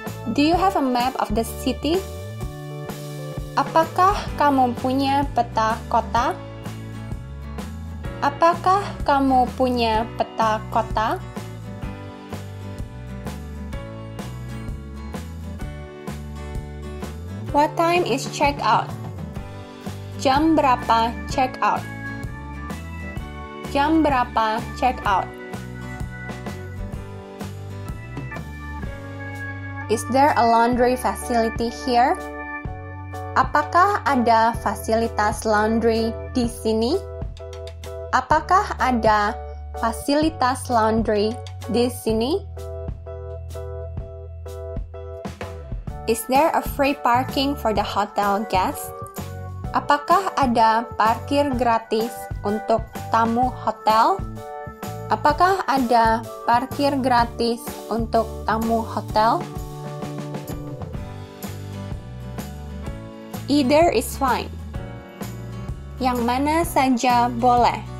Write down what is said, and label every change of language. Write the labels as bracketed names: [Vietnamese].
[English] Do you have a map of the city? [Indonesian] Apakah kamu punya peta kota? Apakah kamu punya peta kota? [English] What time is check out? [Indonesian] Jam berapa check out? Jam berapa check out? [English] Is there a laundry facility here? [Indonesian] Apakah ada fasilitas laundry di sini? Apakah ada fasilitas laundry di sini? [English] Is there a free parking for the hotel guests? [Indonesian] Apakah ada parkir gratis untuk tamu hotel? Apakah ada parkir gratis untuk tamu hotel? [English] Either is fine. [Indonesian] Yang mana saja boleh.